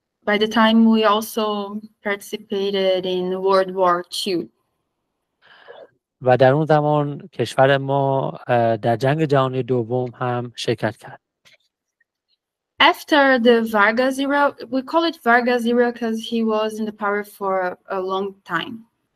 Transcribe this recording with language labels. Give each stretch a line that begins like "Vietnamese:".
English: By the time we also participated in World War II.
Persian: و در اون زمان کشور ما در جنگ جهانی دوم هم شرکت کرد.
English: After the Vargas era, we call it Vargas era because he was in the power for a long time.